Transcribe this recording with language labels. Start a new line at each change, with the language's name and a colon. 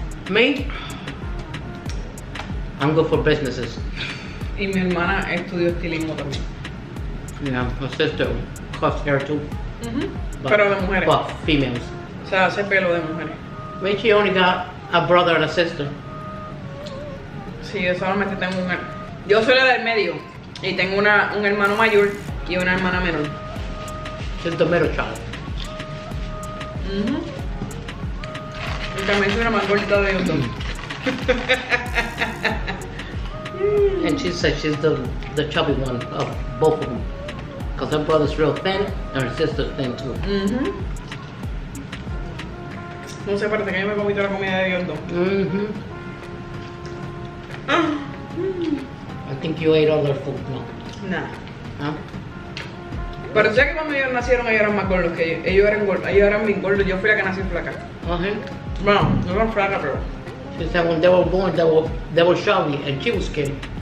English: Me, I'm good for businesses.
Spanish: Y mi hermana estudió estilismo también.
English: Yeah, my sister cuts hair too.
Spanish: Mm-hmm.
English: But,
Spanish: pero de mujeres.
English: But females.
Spanish: O sea, hace pelo de mujeres.
English: Me, she only got a brother and a sister.
Spanish: Sí, yo solamente tengo un hermano. Yo soy la del medio. Y tengo una, un hermano mayor y una hermana menor. Es
English: the middle child.
Spanish: Mm-hmm. Y también soy una más gordita de ellos dos.
English: And she said she's the chubby one of both of them. Because her brother's real thin and her sister's thin too. Mm-hmm.
Spanish: No sé, parece que yo me comí toda la comida de Dios. Mm-hmm.
English: I think you ate all their food, no? Nah. Huh?
Spanish: Pero sé que cuando ellos nacieron, ellos eran más gordos que ellos. Ellos eran gordos, ellos eran bien gordos. Yo fui la que nací flaca. Uh-huh. Bueno, no eran flaca, pero...
English: She said when they were born, they were chubby and she was skinny.